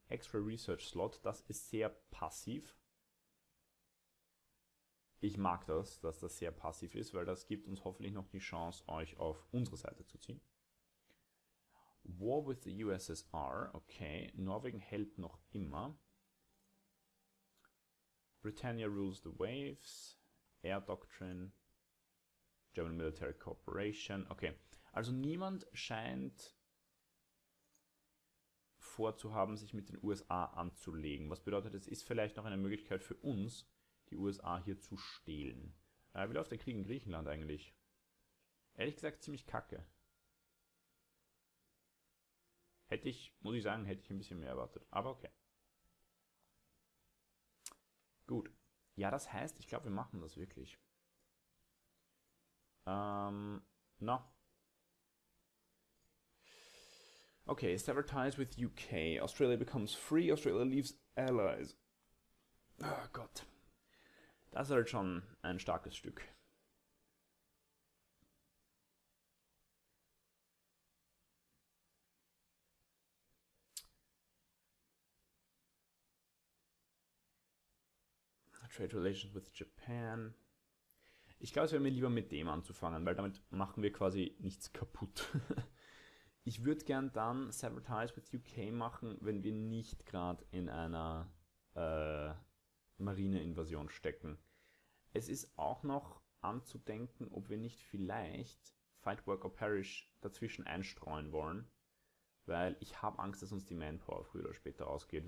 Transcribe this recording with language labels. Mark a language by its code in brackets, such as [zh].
[de] Extra Research Slot, das ist sehr passiv. Ich mag das, dass das sehr passiv ist, weil das gibt uns hoffentlich noch die Chance, euch auf unsere Seite zu ziehen. [en] War with the USSR, okay, [de] Norwegen hält noch immer. [en] Britannia rules the waves, Air Doctrine, German Military Cooperation. [de] Okay, also niemand scheint vorzuhaben, sich mit den USA anzulegen. Was bedeutet, es ist vielleicht noch eine Möglichkeit für uns, die USA hier zu stehlen. Wie läuft der Krieg in Griechenland eigentlich? Ehrlich gesagt, ziemlich kacke. Hätte ich, muss ich sagen, hätte ich ein bisschen mehr erwartet. Aber okay. Gut. Ja, das heißt, ich glaube, wir machen das wirklich. Na. No. [en] Okay, sever ties with UK. Australia becomes free, Australia leaves allies. [de] Oh Gott. Das ist halt schon ein starkes Stück. [en] Trade Relations with Japan. [de] Ich glaube, es wäre mir lieber mit dem anzufangen, weil damit machen wir quasi nichts kaputt. Ich würde gern dann Sever Ties with UK machen, wenn wir nicht gerade in einer Marineinvasion stecken. Es ist auch noch anzudenken, ob wir nicht vielleicht Fight Work or Perish dazwischen einstreuen wollen, weil ich habe Angst, dass uns die Manpower früher oder später ausgeht.